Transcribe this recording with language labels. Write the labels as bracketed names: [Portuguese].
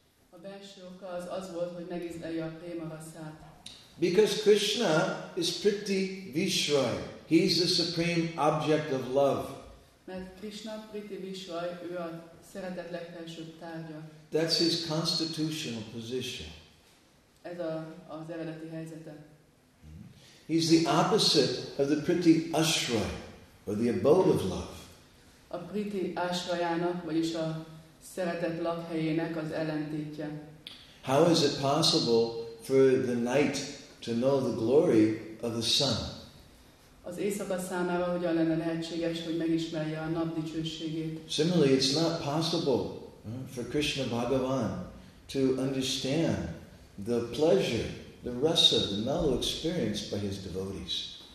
[Hungarian] A belső oka az az volt, hogy megízlelje a prema rasát. [English] Because Krishna is Priti Vishroy, he is the supreme object of love. [Hungarian] Mert Krishna Priti Vishroy, ő a szeretet legfelsőbb tárgya. [English] That's his constitutional position. [Hungarian] Ez a az eredeti helyzete. [English] He's the opposite of the Priti Ashroy, or the abode of love. [Hungarian] A priti ashrayának, vagyis a szeretet lakhelyének az ellentétje. [English] How is it possible for the night to know the glory of the sun? [Hungarian] Az éjszaka számára hogyan lenne lehetséges, hogy megismerje a nap dicsőségét? [English] Similarly, it's not possible for Krishna Bhagavan to understand the pleasure, the rasa, the mellow experienced by his devotees.